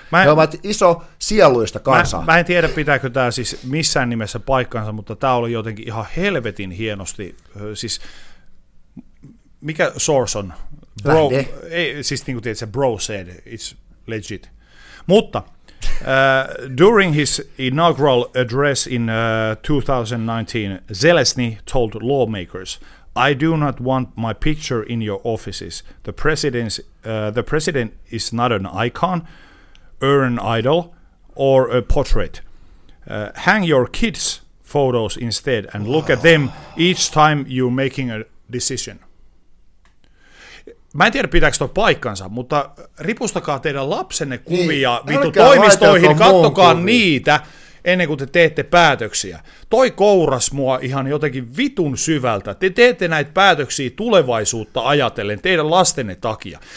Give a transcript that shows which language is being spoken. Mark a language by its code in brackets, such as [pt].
[fi] He ovat iso sieluista kansaa. Mä en tiedä, pitääkö tämä siis missään nimessä paikkansa, mutta tämä oli jotenkin ihan helvetin hienosti. Siis, mikä source on? [en] Bro, [fi] ei, siis niin kuin tiedät, se [en] bro said, it's legit. [fi] Mutta... [en] during his inaugural address in 2019, Zelensky told lawmakers, "I do not want my picture in your offices. The president is not an icon, or an idol, or a portrait. Hang your kids' photos instead and look at them each time you're making a decision." [fi] Mä en tiedä, pitääkö toi paikkansa, mutta ripustakaa teidän lapsenne kuvia niin, vittu toimistoihin, kattokaa niitä ennen kuin te teette päätöksiä. Toi kouras mua ihan jotenkin vitun syvältä. Te teette näitä päätöksiä tulevaisuutta ajatellen, teidän lastenne takia.